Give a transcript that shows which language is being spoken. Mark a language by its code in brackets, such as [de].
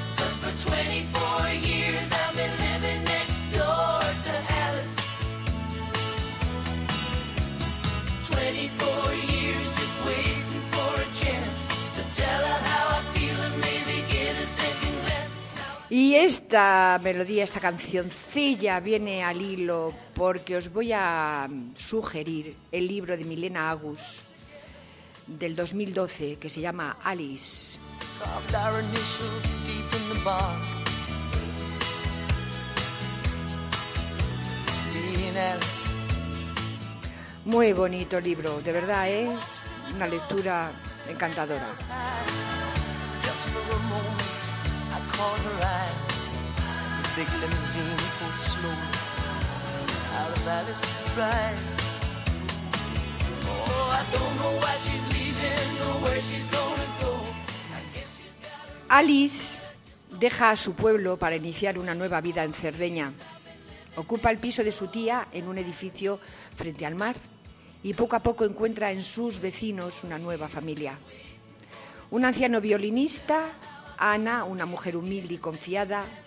[en] 'Cause for 24 years I've been living next door to Alice. 24 years just waiting for a chance to tell her how I feel and maybe get a second glance. [es] Y esta melodía, esta cancioncilla viene al hilo porque os voy a sugerir el libro de Milena Agus del 2012 que se llama Alice. [en] Carved our initials deep in the bark. Me and Alice. [es] Muy bonito libro, de verdad, Una lectura encantadora. [en] Just to the moon. I caught her eye as a big limousine pulled slowly out of Alice's Drive. Oh, I don't know why she's leaving or where she's gonna go. [es] Alice deja a su pueblo para iniciar una nueva vida en Cerdeña. Ocupa el piso de su tía en un edificio frente al mar y poco a poco encuentra en sus vecinos una nueva familia. Un anciano violinista, Ana, una mujer humilde y confiada.